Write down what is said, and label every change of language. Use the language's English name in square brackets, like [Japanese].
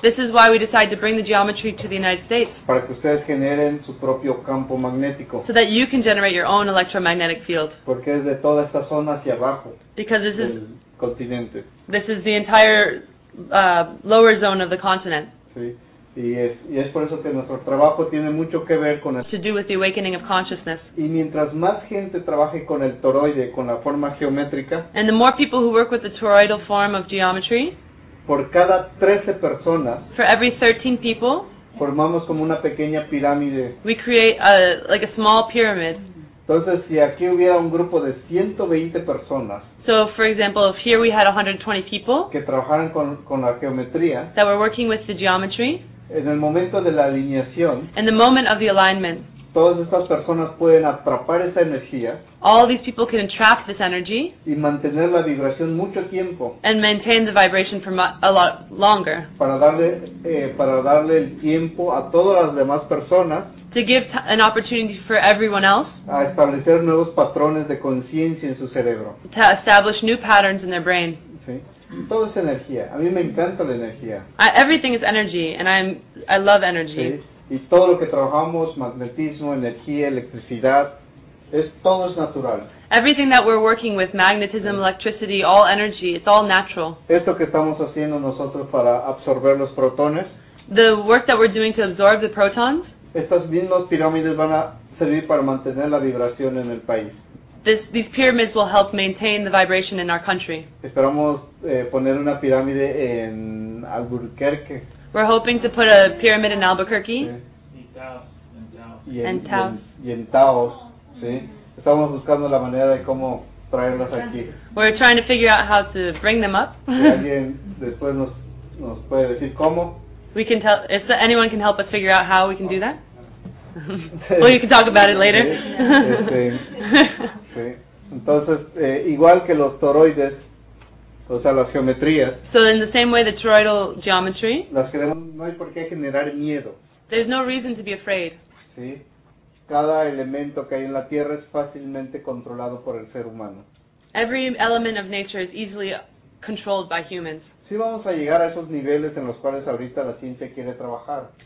[English] This is why we decided to bring the geometry to the United States. [Spanish] Para que ustedes generen su propio campo magnético. [English] So that you can generate your own electromagnetic field. [Spanish] Porque es de toda esta zona hacia abajo. [English] Because this is... [Spanish] continente. [English] This is the entire lower zone of the continent. [Spanish] Sí. Y es por eso que nuestro trabajo tiene mucho que ver con el... [English] to do with the awakening of consciousness. [Spanish] Y mientras más gente trabaje con el toroide, con la forma geométrica... [English] and the more people who work with the toroidal form of geometry... [Spanish] por cada 13 personas... [English] for every 13 people... [Spanish] formamos como una pequeña pirámide. [English] We create a small pyramid. [Spanish] Entonces, si aquí hubiera un grupo de 120 personas... [English] so, for example, if here we had 120 people [Spanish] que trabajaran con la geometría, [English] that were working with the geometry, [Spanish] en el momento de la alineación, [English] in the moment of the alignment, [Spanish] todas estas personas pueden atrapar esa energía, [English] all these people can entrap this energy [Spanish] y mantener la vibración mucho tiempo, [English] and maintain the vibration for a lot longer [Spanish] para darle el tiempo a todas las demás personas. [English] To give an opportunity for everyone else. [Spanish] A establecer nuevos patrones de conciencia en su cerebro. [English] To establish new patterns in their brain. [Spanish] Sí. Todo es energía. A mí me encanta la energía. [English] Everything is energy, and I love energy. [Spanish] Sí. Y todo lo que trabajamos, magnetismo, energía, electricidad, todo es natural. [English] Everything that we're working with, magnetism, sí. electricity, all energy, it's all natural. [Spanish] Esto que estamos haciendo nosotros para absorber los protones. [English] The work that we're doing to absorb the protons. [Spanish] Estas mismas pirámides van a servir para mantener la vibración en el país. [English] These pyramids will help maintain the vibration in our country. [Spanish] Esperamos poner una pirámide en Albuquerque. [English] We're hoping to put a pyramid in Albuquerque. [Spanish] Y en Taos. Y en Taos, sí. Estamos buscando la manera de cómo traerlos aquí. [English] We're trying to figure out how to bring them up. [Spanish] Alguien después nos puede decir cómo. [English] We can tell if anyone can help us figure out how we can do that. Well, you can talk about it later. [Spanish] Sí. Entonces, igual que los toroides, o sea, las geometrías. [English] So in the same way, the toroidal geometry. [Spanish] Las queremos, no hay por qué generar miedo. [English] There's no reason to be afraid. [Spanish] Sí. Cada elemento que hay en la tierra es fácilmente controlado por el ser humano. [English] Every element of nature is easily controlled by humans. [Spanish] Sí vamos a llegar a esos niveles en los cuales ahorita la ciencia quiere trabajar.